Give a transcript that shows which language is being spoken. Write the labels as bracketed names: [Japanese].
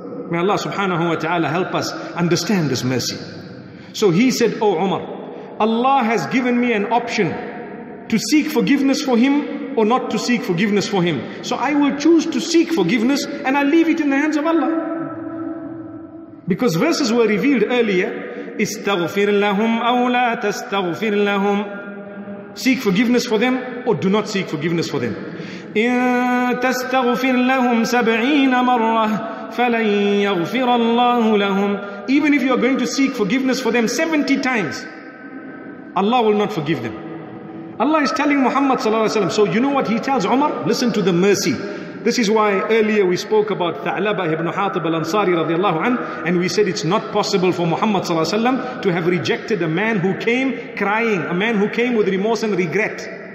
[English] May Allah subhanahu wa ta'ala help us understand this mercy. So he said, O Umar, Allah has given me an option to seek forgiveness for him or not to seek forgiveness for him. So I will choose to seek forgiveness and I leave it in the hands of Allah. Because verses were revealed earlier, [Arabic] استغفر لهم أو لا تستغفر لهم. [English] Seek forgiveness for them or do not seek forgiveness for them. [Arabic] إن تستغفر لهم سبعين مرة فلن يغفر الله لهم. [English] Even if you are going to seek forgiveness for them 70 times, Allah will not forgive them. Allah is telling Muhammad sallallahu alaihi wasallam. So you know what he tells Umar? Listen to the mercy. This is why earlier we spoke about Tha'labah ibn Hatib al-Ansari radiallahu anhu, and we said it's not possible for Muhammad sallallahu alaihi wasallam to have rejected a man who came crying, a man who came with remorse and regret.